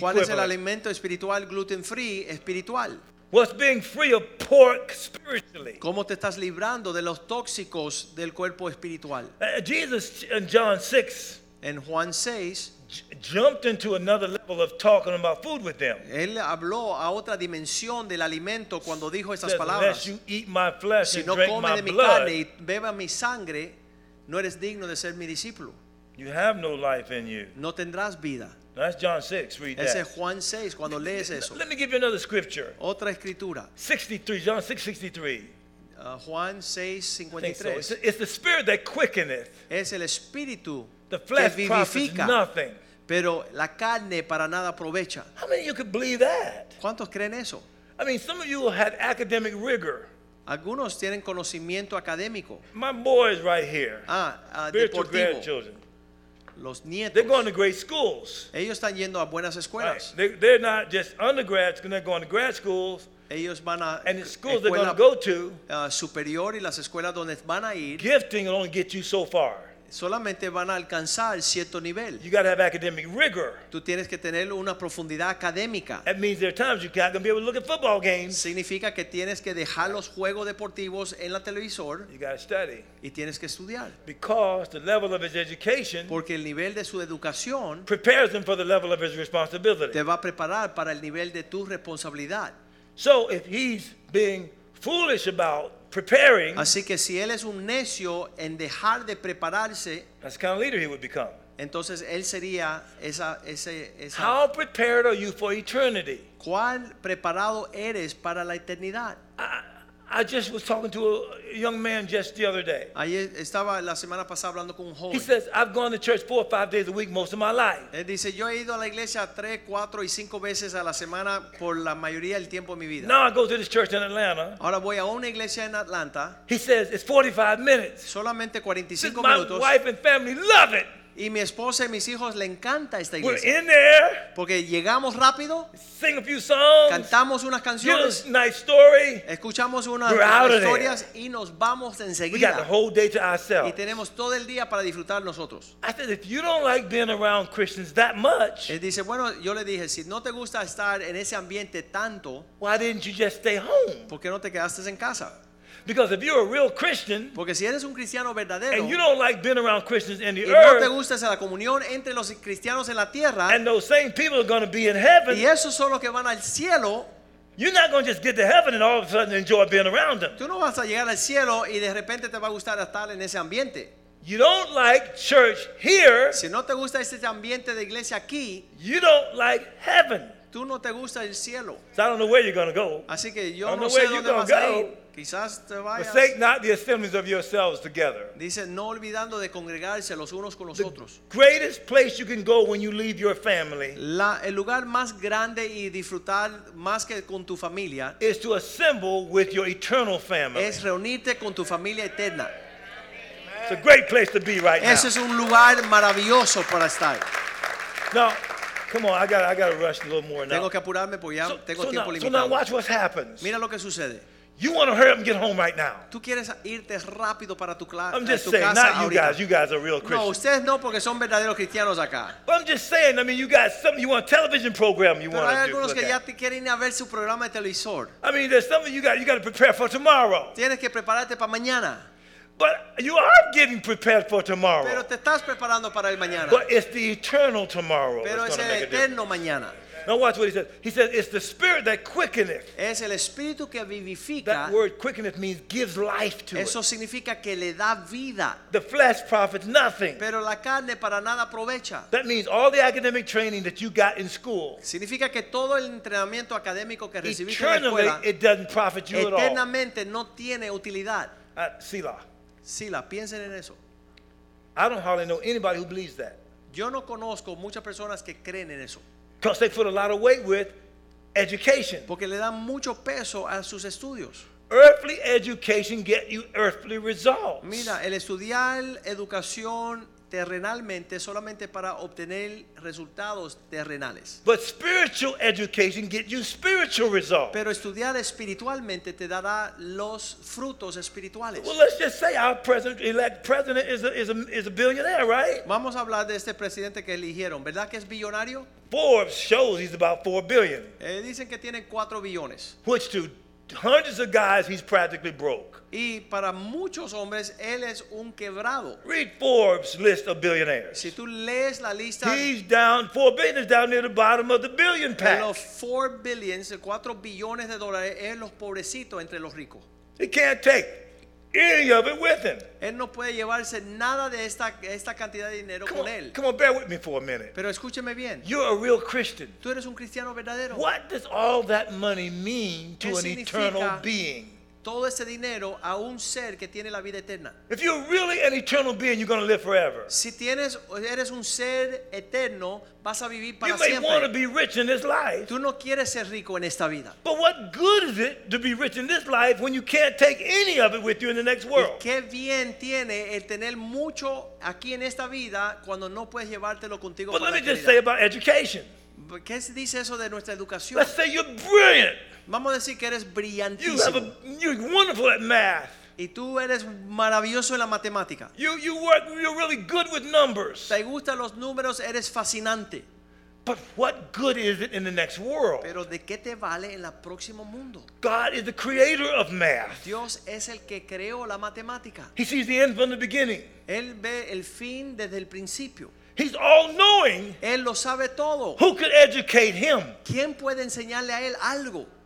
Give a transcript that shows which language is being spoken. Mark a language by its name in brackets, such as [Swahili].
[Spanish] ¿Cuál es el alimento espiritual gluten-free espiritual? [English] What's being free of pork spiritually? [Spanish] ¿Cómo te estás librando de los tóxicos del cuerpo espiritual? [English] Jesus in John 6. [Spanish] En Juan 6. [English] Jumped into another level of talking about food with them. [Spanish] Él habló a otra dimensión del alimento cuando dijo esas palabras. [English] Unless you eat my flesh and drink my blood, [Spanish] si no comes de mi carne y bebes mi sangre, no eres digno de ser mi discípulo. [English] You have no life in you. [Spanish] No tendrás vida. [English] That's John 6. Read that. [Spanish] Ese es Juan 6 cuando lees eso. [English] Let me give you another scripture. [Spanish] Otra escritura. [English] 63. John 6:63. [Spanish] Juan 6:53. [English] So. It's the spirit that quickeneth. [Spanish] Es el espíritu. [English] The flesh profits nothing. [Spanish] Pero la carne para nada aprovecha. [English] How many of you could believe that? [Spanish] ¿Cuántos creen eso? [English] I mean, some of you had academic rigor. [Spanish] Algunos tienen conocimiento académico. [English] My boys right here. Ah, spiritual grandchildren. [Spanish] Los nietos. [English] They're going to great schools. [Spanish] Ellos están yendo a buenas escuelas. [English] Right. They're not just undergrads, they're going to grad schools. [Spanish] Ellos van a [English] and the schools they're going to go to. [Spanish] Superior y las escuelas donde van a ir. [English] Gifting will only get you so far. [Spanish] Solamente van a alcanzar cierto nivel. [English] You got to have academic rigor. [Spanish] Tú tienes que tener una profundidad académica. [English] That means there are times you're not going to be able to look at football games. [Spanish] Significa que tienes que dejar los juegos deportivos en la televisor. [English] You got to study. [Spanish] Y tienes que estudiar. [English] Because the level of his education. [Spanish] Porque el nivel de su educación. [English] Prepares him for the level of his responsibility. [Spanish] Te va a preparar para el nivel de tu responsabilidad. [English] So if he's being foolish about. Preparing. [Spanish] Así que si él es un necio en dejar de prepararse, [English] that's the kind of leader he would become. [Spanish] Entonces él sería esa. [English] How prepared are you for eternity? [Spanish] ¿Cuál preparado eres para la eternidad? [English] I just was talking to a young man just the other day. [Spanish] Ayer estaba la semana pasada hablando con un joven. [English] He says I've gone to church 4 or 5 days a week most of my life. [Spanish] Él dice yo he ido a la iglesia 3, 4, y 5 veces a la semana por la mayoría del tiempo de mi vida. [English] Now I go to this church in Atlanta. [Spanish] Ahora voy a una iglesia en Atlanta. [English] He says it's 45 minutes. [Spanish] Solamente 45 minutos. [English] My wife and family love it. [Spanish] Y mi esposa y mis hijos le encanta esta iglesia. [English] We're in there. [Spanish] Porque llegamos rápido. [English] Sing a few songs. [Spanish] Cantamos unas canciones. [English] Give us a nice story. [Spanish] Escuchamos unas historias y nos vamos enseguida. [English] We got the whole day to ourselves. [Spanish] Y tenemos todo el día para disfrutar nosotros. [English] I said, if you don't like being around Christians that much. [Spanish] Él dice, bueno, yo le dije, si no te gusta estar en ese ambiente tanto, [English] why didn't you just stay home? [Spanish] ¿Por qué no te quedaste en casa? [English] Because if you're a real Christian, [Spanish] porque si eres un cristiano verdadero, [English] and you don't like being around Christians in the [Spanish] y [English] earth, [Spanish] no te gusta esa comunión entre los cristianos en la tierra, [English] and those same people are going to be in heaven, [Spanish] y esos son los que van al cielo, [English] you're not going to just get to heaven and all of a sudden enjoy being around them. [Spanish] Tú no vas a llegar al cielo y de repente te va a gustar estar en ese ambiente. [English] You don't like church here. [Spanish] Si no te gusta este ambiente de iglesia aquí, [English] you don't like heaven. [Spanish] Tú no te gusta el cielo. [English] So I don't know where you're going to go. [Spanish] Así que yo no sé dónde vas a ir. [English] Forsake not the assemblies of yourselves together. [Spanish] Dice no olvidando de congregarse los unos con los otros. [English] The greatest place you can go when you leave your family. [Spanish] El lugar más grande y disfrutar más que con tu familia [English] is to assemble with your eternal family. [Spanish] Es reunirte con tu familia eterna. [English] It's a great place to be right now. [Spanish] Ese es un lugar maravilloso para estar. [English] Now, come on, I got to rush a little more now. [Spanish] Tengo que apurarme porque ya tengo tiempo limitado. [English] So now watch what happens. [Spanish] Mira lo que sucede. [English] You want to hurry up and get home right now. [Spanish] Tú quieres irte rápido para tu casa. [English] I'm just saying, not you guys. You guys are real Christians. [Spanish] No, ustedes no, porque son verdaderos cristianos acá. [English] But I'm just saying, I mean, you got something. You want a television program? You want to do? [Spanish] Pero hay algunos que ya quieren ir a ver su programa de televisor. [English] I mean, there's something you got. You got to prepare for tomorrow. [Spanish] Tienes que prepararte para mañana. [English] But you are getting prepared for tomorrow. [Spanish] Pero te estás preparando para el mañana. [English] But it's the eternal tomorrow. [Spanish] Pero [English] that's [Spanish] es el [English] make [Spanish] eterno [English] a [Spanish] mañana. [English] Now watch what he says. He says it's the spirit that quickeneth. [Spanish] Es el espíritu que vivifica. [English] That word quickeneth means gives life to [Spanish] eso [English] it. [Spanish] Eso significa que le da vida. [English] The flesh profits nothing. [Spanish] Pero la carne para nada aprovecha. [English] That means all the academic training that you got in school. [Spanish] Significa que todo el entrenamiento académico que recibiste en la [English] escuela. Eternally, it doesn't profit you at all. [Spanish] Eternamente no tiene utilidad. Sila, piensen en eso. [English] I don't hardly know anybody who believes that. [Spanish] Yo no conozco muchas personas que creen en eso. [English] Because they put a lot of weight with education. [Spanish] Porque le dan mucho peso a sus estudios. [English] Earthly education get you earthly results. [Spanish] Mira, el estudiar educación terrenalmente solamente para obtener resultados terrenales. [English] But spiritual education get you spiritual results. [Spanish] Pero estudiar espiritualmente te dará los frutos espirituales. [English] Well, let's just say our president-elect president is a billionaire, right? [Spanish] Vamos a hablar de este presidente que eligieron, ¿verdad que es billonario? [English] Forbes shows he's about 4 billion. [Spanish] Dicen que tiene 4 billones. [English] Which to hundreds of guys he's practically broke. [Spanish] Y para muchos hombres él es un quebrado. [English] Read Forbes' list of billionaires. [Spanish] Si tú lees la lista, [English] he's down 4 billion is down near the bottom of the billion pack. [Spanish] Los 4 billions, 4 billones de dólares es los pobrecitos entre los ricos. [English] He can't take any of it with him. [Spanish] Él no puede llevarse nada de esta cantidad de dinero con él. [English] Come on, bear with me for a minute. [Spanish] Pero escúcheme bien. [English] You're a real Christian. [Spanish] Tú eres un cristiano verdadero. [English] What does all that money mean to an eternal being? [Spanish] Todo ese dinero a un ser que tiene la vida eterna. [English] If you're really an eternal being, you're going to live forever. [Spanish] Si tienes eres un ser eterno, vas a vivir para [English] siempre. You may want to be rich in this life. [Spanish] Tú no quieres ser rico en esta vida. [English] But what good is it to be rich in this life when you can't take any of it with you in the next world? [Spanish] ¿Qué bien tiene el tener mucho aquí en esta vida cuando no puedes llevártelo contigo para la eternidad? [English] But let me just say about education. [Spanish] ¿Qué dice eso de nuestra educación? [English] Let's say you're brilliant. [Spanish] Vamos a decir que eres brillantísimo. [English] You're wonderful at math. [Spanish] Y tú eres maravilloso en la matemática. [English] You're really good with numbers. [Spanish] Te gustan los números, eres fascinante. [English] But what good is it in the next world? [Spanish] Pero ¿de qué te vale en el próximo mundo? [English] God is the creator of math. [Spanish] Dios es el que creó la matemática. [English] He sees the end from the beginning. [Spanish] Él ve el fin desde el principio. [English] He's all-knowing. [Spanish] Él lo sabe todo. [English] Who could educate him? [Spanish] ¿Quién puede enseñarle a él algo?